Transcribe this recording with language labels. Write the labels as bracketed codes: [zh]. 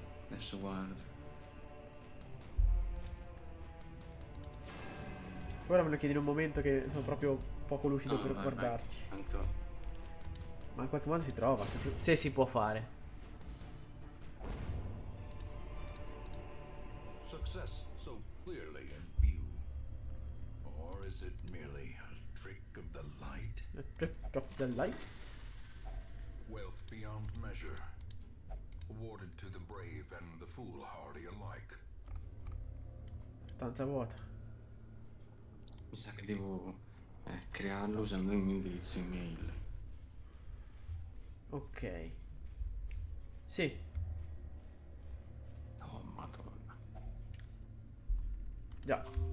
[it] Adesso guardo. Ora me lo chiedi in un momento che sono proprio poco lucido per guardarci. Ma in qualche modo si trova, se si può fare. [en] Success so clearly in view. Or is it merely a trick of the light? A trick of the light? Wealth beyond measure. Awarded to the brave and the foolhardy alike. [it] Tanta vuota. Mi sa che devo crearlo usando il mio indirizzo email. Ok. Sì. Oh madonna. Già.